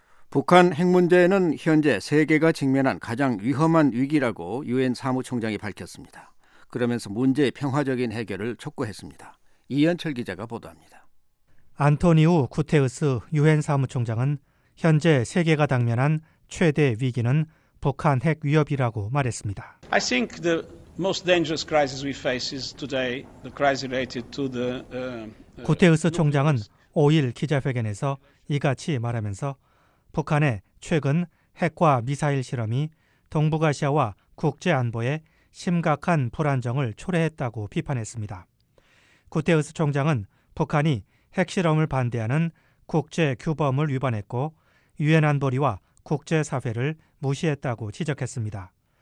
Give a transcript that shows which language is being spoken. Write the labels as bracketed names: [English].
[Korean] 북한 핵 문제는 현재 세계가 직면한 가장 위험한 위기라고 유엔 사무총장이 밝혔습니다. 그러면서 문제의 평화적인 해결을 촉구했습니다. 이현철 기자가 보도합니다. 안토니우 구테흐스 유엔 사무총장은 현재 세계가 당면한 최대 위기는 북한 핵 위협이라고 말했습니다. [English] I think the most dangerous crisis we face is today the crisis related to the [Korean] 구테흐스 총장은 5일 기자회견에서 이같이 말하면서 북한의 최근 핵과 미사일 실험이 동북아시아와 국제 안보에 심각한 불안정을 초래했다고 비판했습니다. 구테흐스 총장은 북한이 핵실험을 반대하는 국제 규범을 위반했고 유엔 안보리와 국제사회를 무시했다고 지적했습니다.